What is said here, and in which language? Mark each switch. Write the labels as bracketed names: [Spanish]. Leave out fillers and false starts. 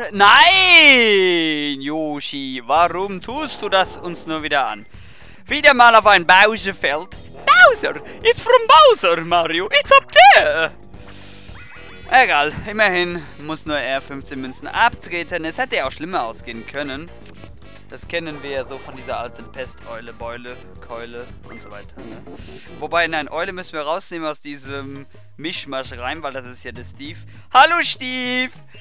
[German] Nein, Yoshi, warum tust du das uns nur wieder an? Wieder mal auf ein Bowserfeld. [English] Bowser, it's from Bowser, Mario, it's up there. [German] Egal, immerhin muss nur er 15 Münzen abtreten. Es hätte ja auch schlimmer ausgehen können. Das kennen wir ja so von dieser alten Pesteule, Beule, Keule und so weiter. Ne? Wobei, nein, Eule müssen wir rausnehmen aus diesem Mischmasch rein, weil das ist ja der Steve. Hallo, Steve!